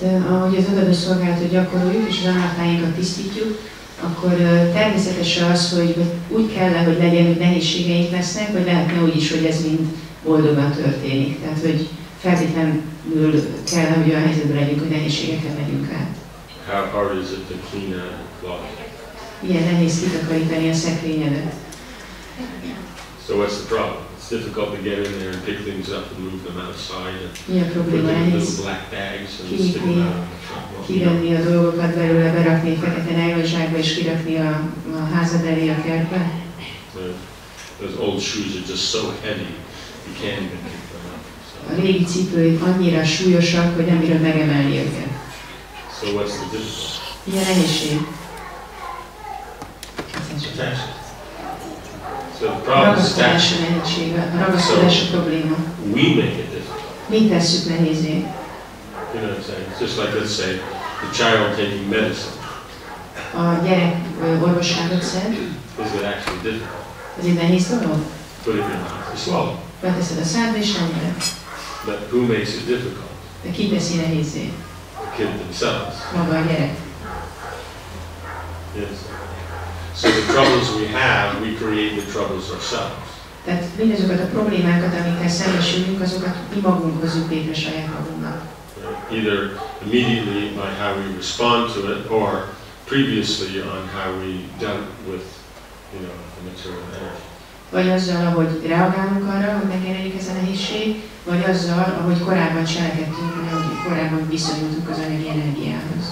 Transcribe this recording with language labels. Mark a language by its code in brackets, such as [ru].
[hu] Ahogy az odaadó szolgálatot gyakoroljuk és az anartáinkat tisztítjuk, akkor természetes az, hogy úgy kell, hogy legyen, hogy nehézségeink lesznek, vagy lehetne úgy is, hogy ez mind boldogan történik. Tehát, hogy feltétlenül kell, hogy olyan helyzetben legyünk, hogy nehézségekre megyünk át. [en] How hard is it to clean out the closet? [hu] Igen, nehéz kitakarítani a szekrényedet. [en] So what's the problem? It's difficult to get in there and pick things up and move them outside and yeah, put them in little black bags and stick them out. [hu] Kivenni a dolgokat belőle, berakni fekete nylonzsákba és kirakni a házad elé a kertbe. [en] Those old shoes are just so heavy, you can't even pick them up. [hu] A régi cipőik annyira súlyosak, hogy nem bírod megemelni őket. [en] So what's the difference? [hu] Igen, nehézség. [en] So the problem is attention. [hu] A ragaszkodás a probléma. [en] We make it difficult. [hu] Mi tesszük nehézé. [en] You know what I'm saying? It's just like, let's say, the child taking medicine. [hu] A gyerek orvosságot szed. [en] Is it actually difficult? [hu] Ez egy nehéz dolog? [en] Put it in your mouth, swallow. [hu] Beteszed a szádba és nem jön. [en] But who makes it difficult? [hu] De ki teszi nehézé? [en] The kid themselves. [hu] Maga a gyerek. [en] Yes. So the troubles we have, we create the troubles ourselves. [hu] Tehát mindazokat a problémákat, amikkel szembesülünk, azokat mi magunk hozunk létre saját magunknak. [en] Either immediately by how we respond to it, or previously on how we dealt with, you know, the material energy. [hu] Vagy azzal, ahogy reagálunk arra, hogy megjelenik ez a nehézség, vagy azzal, ahogy korábban cselekedtünk, ahogy korábban viszonyultunk az anyagi energiához.